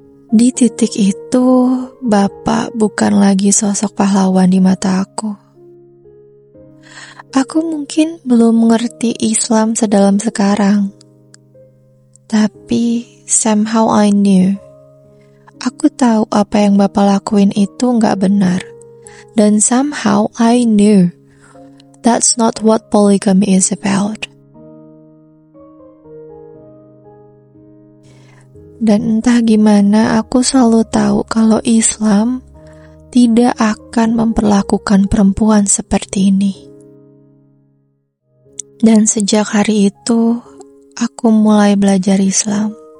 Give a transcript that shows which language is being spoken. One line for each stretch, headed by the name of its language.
Indonesian: Di titik itu, Bapak bukan lagi sosok pahlawan di mata aku. Aku mungkin belum mengerti Islam sedalam sekarang, tapi
English: somehow I knew.
Indonesian: Aku tahu apa yang Bapak lakuin itu gak benar. Dan
English: somehow I knew that's not what polygamy is about.
Indonesian: Dan entah gimana, aku selalu tahu kalau Islam tidak akan memperlakukan perempuan seperti ini. Dan sejak hari itu, aku mulai belajar Islam.